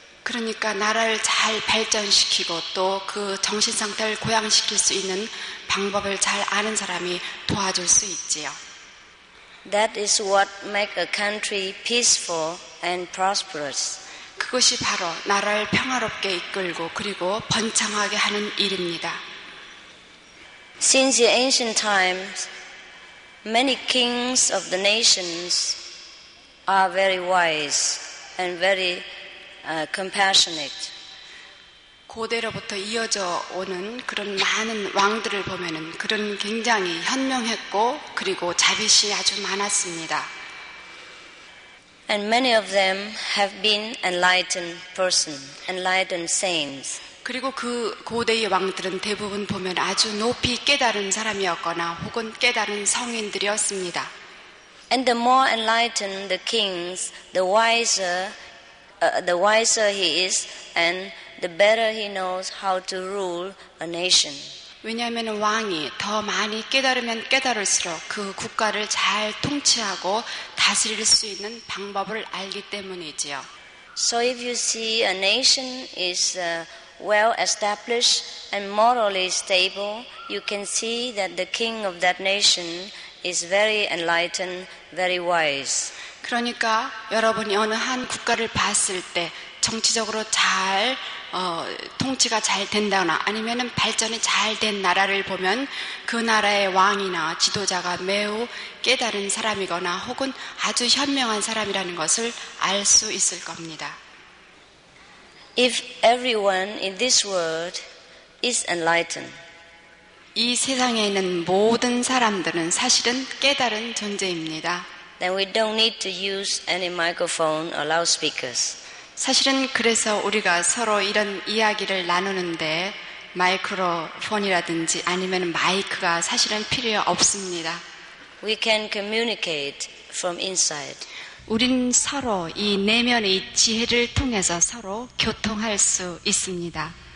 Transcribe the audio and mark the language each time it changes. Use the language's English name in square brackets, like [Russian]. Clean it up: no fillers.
[Korean] 그러니까 나라를 잘 발전시키고 또 그 정신 상태를 고양시킬 수 있는 방법을 잘 아는 사람이 도와줄 수 있지요. [English] That is what makes a country peaceful and prosperous. [Korean] 그것이 바로 나라를 평화롭게 이끌고 그리고 번창하게 하는 일입니다. [English] Since the ancient times, many kings of the nations are very wise and very compassionate. [Korean] 고대로부터 이어져 오는 그런 많은 왕들을 보면은 그런 굉장히 현명했고 그리고 자비심이 아주 많았습니다. [English] And many of them have been enlightened person, enlightened saints. [Korean] 그리고 그 고대의 왕들은 대부분 보면 아주 높이 깨달은 사람이었거나 혹은 깨달은 성인들이었습니다. [English] And the more enlightened the kings, the wiser he is and the better he knows how to rule a nation. [Korean] 왜냐하면 왕이 더 많이 깨달으면 깨달을수록 그 국가를 잘 통치하고 다스릴 수 있는 방법을 알기 때문이지요. [English] So if you see a nation is well established and morally stable, you can see that the king of that nation is very enlightened, very wise. [Korean] 그러니까 여러분이 어느 한 국가를 봤을 때 정치적으로 잘 통치가 잘 된다거나 아니면은 발전이 잘 된 나라를 보면 그 나라의 왕이나 지도자가 매우 깨달은 사람이거나 혹은 아주 현명한 사람이라는 것을 알 수 있을 겁니다. [English] If everyone in this world is enlightened, [Korean] 이 세상에 있는 모든 사람들은 사실은 깨달은 존재입니다. [English] Then we don't need to use any microphone or loudspeakers. [Korean] 사실은 그래서 우리가 서로 이런 이야기를 나누는데 마이크로폰이라든지 아니면 마이크가 사실은 필요 없습니다. [English] We can communicate from inside. [Korean] 우린 서로 이 내면의 지혜를 통해서 서로 교통할 수 있습니다.